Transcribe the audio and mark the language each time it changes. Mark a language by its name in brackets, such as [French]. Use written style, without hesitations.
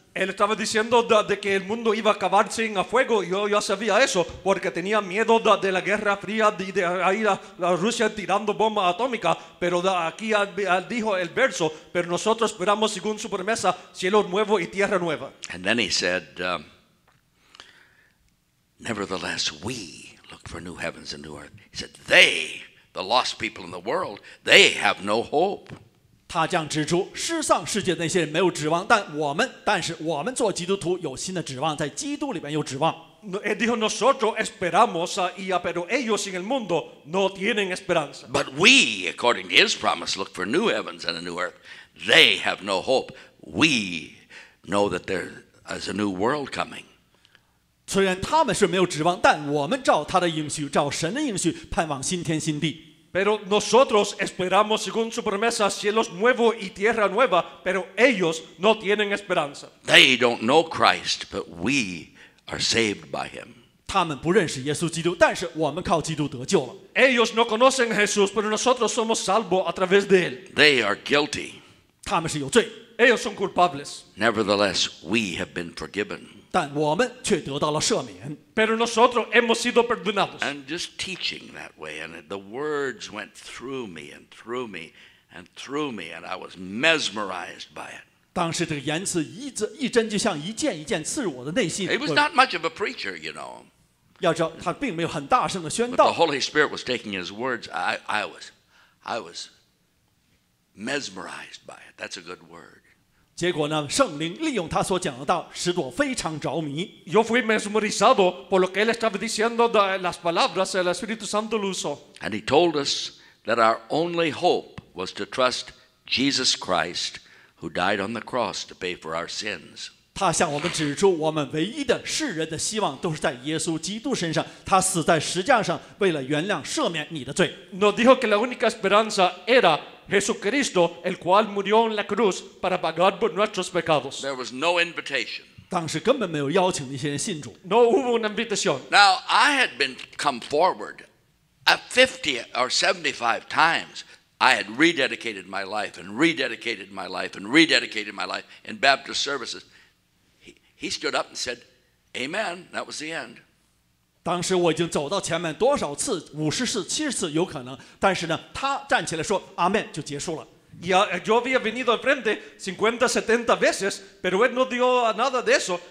[Spanish] Él estaba diciendo de que el mundo iba a acabarse en fuego. Yo ya sabía eso porque tenía miedo de la guerra fría y de ahí la Rusia tirando bomba atómica. Pero aquí dijo el verso, pero nosotros esperamos según su promesa, cielo nuevo y tierra nueva. [English] And then he said, nevertheless, we look for new heavens and new earth. He said, they, the lost people in the world, they have no hope. [Chinese] 他这样指出，失丧世界的那些人没有指望，但是我们做基督徒有新的指望，在基督里面有指望。 [Spanish] Dijo nosotros esperamos y pero ellos en el mundo no tienen esperanza. [English] But we, according to His promise, look for new heavens and a new earth. They have no hope. We know that there is a new world coming. [Chinese] 虽然他们是没有指望，但我们照他的应许，照神的应许，盼望新天新地。 [Spanish] Pero nosotros esperamos según su promesa cielos nuevos y tierra nueva, pero ellos no tienen esperanza. [English] They don't know Christ, but we are saved by him. [Chinese] 他们不认识耶稣基督，但是我们靠基督得救了。 [Spanish] Ellos no conocen a Jesús, pero nosotros somos salvos a través de él. [English] They are guilty. [Chinese] 他们是有罪。 [Spanish] Ellos son culpables. [English] Nevertheless, we have been forgiven. [Chinese] 但我们却得到了赦免。 [Spanish] Pero nosotros hemos sido perdonados. [English] And just teaching that way, and the words went through me and through me and through me, and I was mesmerized by it. [Chinese] 当时这个言辞一针就像一剑一剑刺入我的内心。 [English] It was not much of a preacher, you know. [Chinese] 要知道他并没有很大声的宣道。 [English] But the Holy Spirit was taking his words. I was mesmerized by it. That's a good word. [Chinese] 结果呢，圣灵利用他所讲的道，使我非常着迷。 [Spanish] Yo fui mesmerizado por lo que él estaba diciendo de las palabras del Espíritu Santo luso. [English] And he told us that our only hope was to trust Jesus Christ, who died on the cross to pay for our sins. [Chinese] 他向我们指出，我们唯一的世人的希望都是在耶稣基督身上。他死在十架上，为了原谅、赦免你的罪。 [Spanish] Nos dijo que la única esperanza era. Jesucristo, el cual murió en la cruz para pagar por nuestros pecados. [English] There was no invitation. [Chinese] 当时根本没有邀请那些人信主。 [Spanish] No hubo una invitación. [English] Now, I had been come forward a 50 or 75 times. I had rededicated my life and rededicated my life and rededicated my life in Baptist services. He stood up and said, Amen. That was the end. [Chinese] 当时我已经走到前面多少次，五十次、七十次有可能，但是呢，他站起来说阿门就结束了。 [Spanish] Ya yo había venido al frente 50, 70 veces, pero él no dio nada de eso.